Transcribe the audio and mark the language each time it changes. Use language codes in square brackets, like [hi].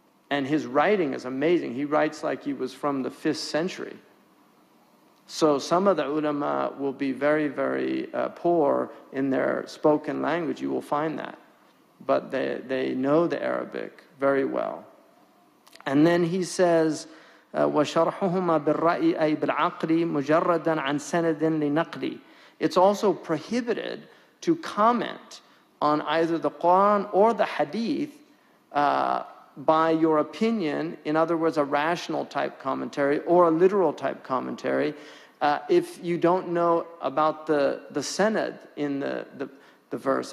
[en] And his writing is amazing. He writes like he was from the 5th century. So some of the ulama will be very, very poor in their spoken language. You will find that. But they know the Arabic very well. And then he says, [ar] وَشَرْحُهُمَا بِالرَّأِي أَي بِالْعَقْلِ مُجَرَّدًا عَنْ سَنَدٍ لِنَقْلِ. [en] It's also prohibited to comment on either the Quran or the Hadith by your opinion, in other words, a rational type commentary or a literal type commentary, if you don't know about the sanad in the verse.